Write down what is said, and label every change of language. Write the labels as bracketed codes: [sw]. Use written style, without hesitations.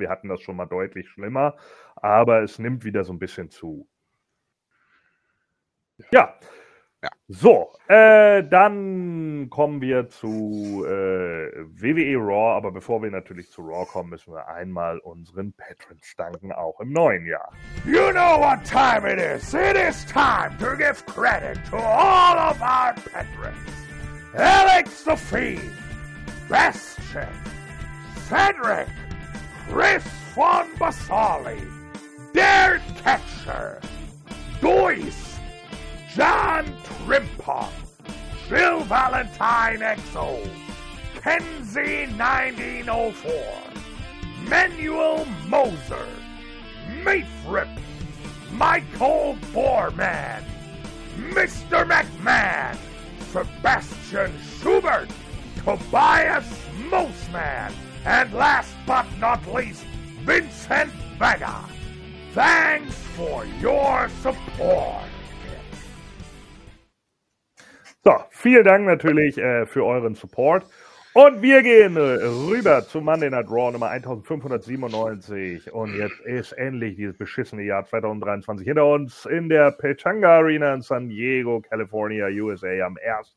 [de] Wir hatten das schon mal deutlich schlimmer. Aber es nimmt wieder so ein bisschen zu. Ja. Ja. So, dann kommen wir zu WWE Raw. Aber bevor wir natürlich zu Raw kommen, müssen wir einmal unseren Patrons danken, auch im neuen Jahr. [en] You know what time it is. It is time to give credit to all of our Patrons. Alex the Fiend, Bastion, Cedric, Chris von Basali, Dare Catcher, Deuce, John Trimpop, Jill Valentine XO, Kenzie 1904, Manuel Moser, Mayfrip, Michael Borman, Mr. McMahon, Sebastian Schubert, Tobias Mosman, and last but not least, Vincent Vega. Thanks for your support. [de] So, vielen Dank natürlich für euren Support. Und wir gehen rüber zu Monday Night Raw Nummer 1597. Und jetzt ist endlich dieses beschissene Jahr 2023 hinter uns in der Pechanga Arena in San Diego, California, USA am 1.